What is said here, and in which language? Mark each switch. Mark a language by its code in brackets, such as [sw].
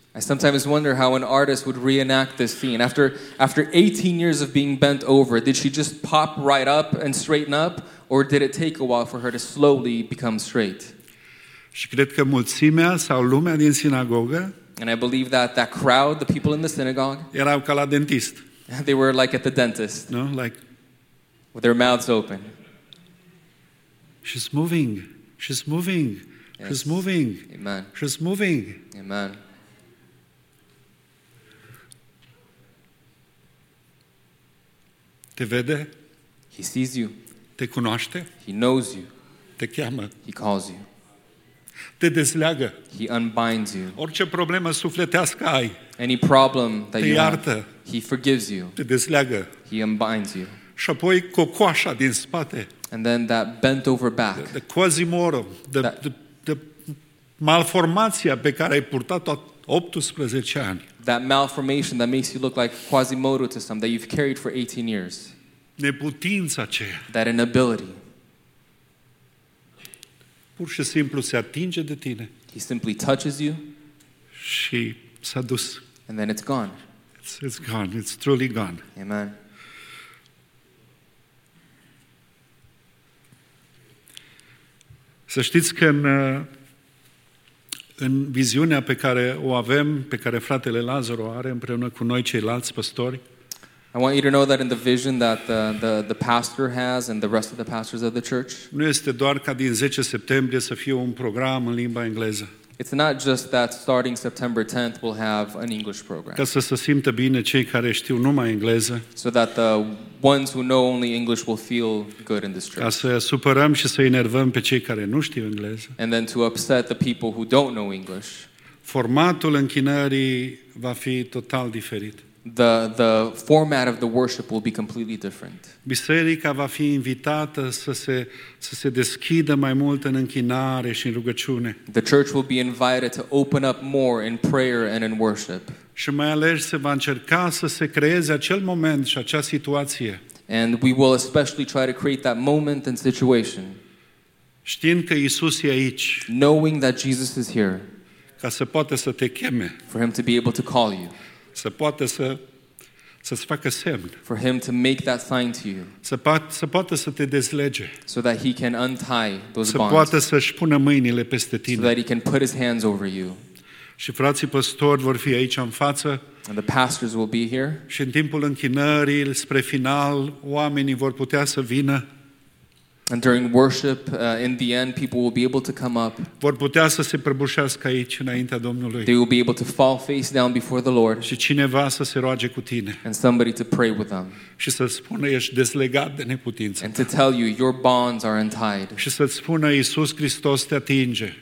[en] I sometimes wonder how an artist would reenact this scene. After 18 years of being bent over, did she just pop right up and straighten up, or did it take a while for her to slowly become straight? [ro] Și cred că mulțimea sau lumea din sinagogă, [en] and I believe that crowd, the people in the synagogue, [ro] erau ca la dentist. [en] They were like at the dentist. No, like with their mouths open. She's moving. She's moving. Yes. She's moving. Amen. She's moving. Amen. [ro] Te vede? [en] He sees you. [ro] Te cunoaște? [en] He knows you. [ro] Te cheamă? [en] He calls you. [ro] Te dezleagă? [en] He unbinds you. [ro] Orice problemă sufletească ai? [en] Any problem that [ro] te [en] you [ro] iartă? [en] Have, he forgives you. [ro] Te dezleagă? [en] He unbinds you. [ro] Și apoi cocoașa din spate? [en] And then that bent over back. The Quasimodo, the [ro] malformația pe care ai purtat-o 18 ani. [en] That malformation that makes you look like Quasimodo to some, that you've carried for 18 years. [ro] Neputința aceea. [en] That inability. [ro] Pur și simplu se atinge de tine. [en] He simply touches you. [ro] Și s-a dus. [en] And then it's gone. It's gone. It's truly gone. Amen. [ro] Să știți că în viziunea pe care o avem, pe care fratele Lazar o are împreună cu noi ceilalți păstori. [en] I want you to know that in the vision that the pastor has and the rest of the pastors of the church. [ro] Nu este doar ca din 10 septembrie să fie un program în limba engleză. [en] It's not just that starting September 10th we'll have an English program. [ro] Ca să se simtă bine cei care știu numai engleză. [en] So that the ones who know only English will feel good in this church. [ro] Ca să supărăm și să enervăm pe cei care nu știu engleză. [en] And then to upset the people who don't know English. [ro] Formatul închinării va fi total diferit. [en] The format of the worship will be completely different. [ro] Biserica va fi invitată să se deschidă mai mult în închinare și în rugăciune. [en] The church will be invited to open up more in prayer and in worship. [ro] Și mai ales se va încerca să se creeze acel moment și acea situație. [en] And we will especially try to create that moment and situation. [ro] Știind că Iisus e aici. [en] Knowing that Jesus is here. [ro] Ca să poată să te cheme. [en] For him to be able to call you. [ro] Să poată să-ți facă semn. [en] For him to make that sign to you. [ro] Să poată să te dezlege. [en] So that he can untie those [ro] să [en] bonds. [ro] Să poată să-și pună mâinile peste tine. [en] So that he can put his hands over you. [ro] Și frații păstori vor fi aici în față. [en] And the pastors will be here. [ro] Și în timpul închinării, spre final, oamenii vor putea să vină. [en] And during worship, in the end, people will be able to come up. [ro] Vor putea să se prăbușească aici înaintea Domnului. [en] They will be able to fall face down before the Lord. [ro] Și cineva să se roage cu tine. [en] And somebody to pray with them. [ro] Și să spună ești dezlegat de neputință. [en] And to tell you your bonds are untied. [ro] Și să spună Iisus Hristos te atinge.